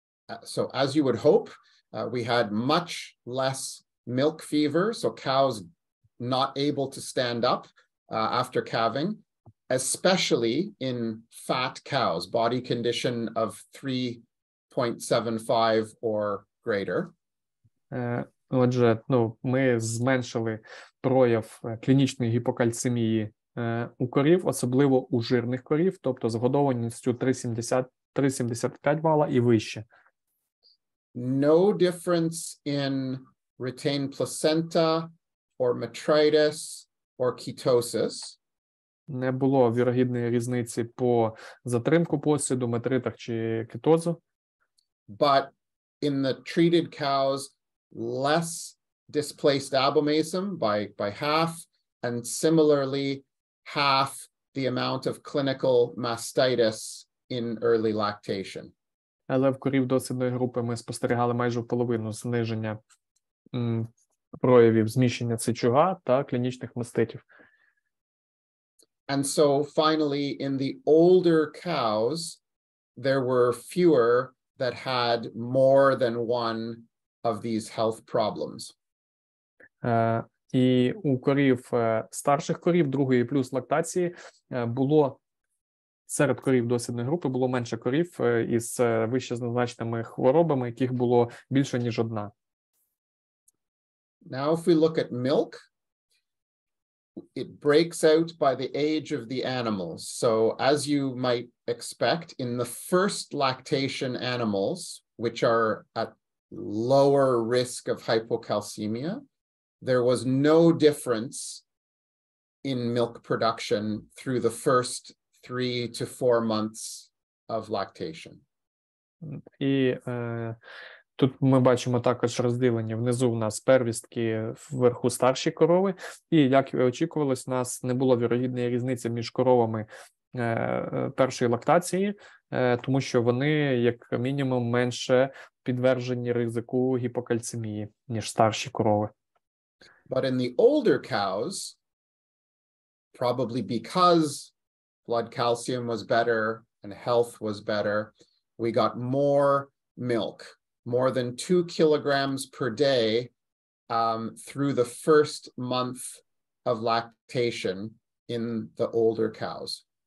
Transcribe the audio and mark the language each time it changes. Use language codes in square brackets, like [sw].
[en] So, as you would hope, we had much less milk fever, so cows not able to stand up after calving, especially in fat cows, body condition of 3.75 or greater. [uk] Отже, ну, ми зменшили прояв клінічної гіпокальцемії у корів, особливо у жирних корів, тобто з годованістю 3.75 бала і вище. [en] No difference in retained placenta or metritis or ketosis. [uk] Не було вірогідної різниці по затримку посіду, метритах чи кетозу. [en] But in the treated cows, less displaced abomasum by half, and similarly half the amount of clinical mastitis in early lactation. [uk] Але в корів дослідної групи ми спостерігали майже в половину зниження проявів зміщення сечуга та клінічних маститів. [en] And so finally, in the older cows, there were fewer that had more than one of these health problems. [uk] І у корів старших корів другої плюс лактації було серед корів дослідної групи було менше корів із вищезазначеними хворобами, яких було більше ніж одна. [en] Now if we look at milk, it breaks out by the age of the animals. So as you might expect, in the first lactation animals, which are at lower risk of hypocalcemia, there was no difference in milk production through the first 3 to 4 months of lactation. [uk] І Тут ми бачимо також розділення. Внизу у нас первістки, вверху старші корови. І, як і очікувалось, у нас не було вірогідної різниці між коровами першої лактації, тому що вони, як мінімум, менше підвержені ризику гіпокальцемії, ніж старші корови. [en] But in the older cows, probably because blood calcium was better and health was better, we got more milk, more than 2 kilograms per day through the first month of lactation in the older cows.